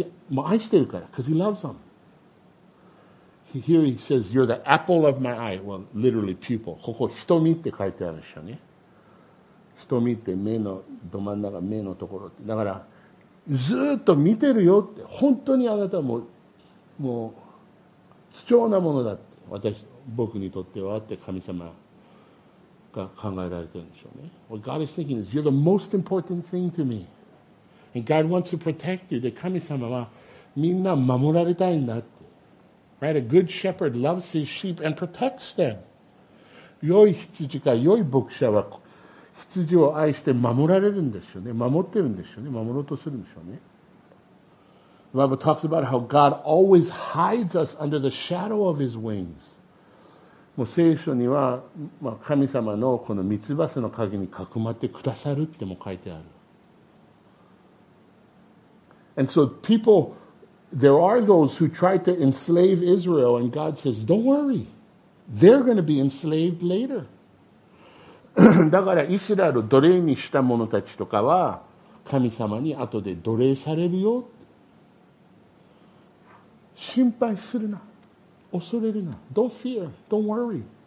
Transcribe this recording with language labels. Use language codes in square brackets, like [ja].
[ja] もう愛してるから、 [en] because he loves them. Here he says, you're the apple of my eye. Well, literally, pupil. [ja] ここ、瞳って書いてあるでしょうね。瞳って目のど真ん中、目のところ。だから、ずっと見てるよって、本当にあなたもう、貴重なものだって、僕にとってはって神様が考えられてるんでしょうね。 [en] What God is thinking is, you're the most important thing to me. And God wants to protect you. で、 [ja] 神様はみんな守られたいんだって。 [en] Right? A good shepherd loves his sheep and protects them. [ja] 良い羊か良い牧者は羊を愛して守られるんですよね。守ってるんですよね。守ろうとするんでしょうね。 [en] The Bible talks about how God always hides us under the shadow of his wings. [ja] もう聖書には、まあ、神様のこの三つ葉の陰にかくまってくださるっても書いてある。 [en] And so people, there are those who try to enslave Israel, and God says, don't worry. They're going to be enslaved later. [ja] だからイスラエルを奴隷にした者たちとかは、神様に後で奴隷されるよ。心配するな。恐れるな。 [en] Don't fear. Don't worry.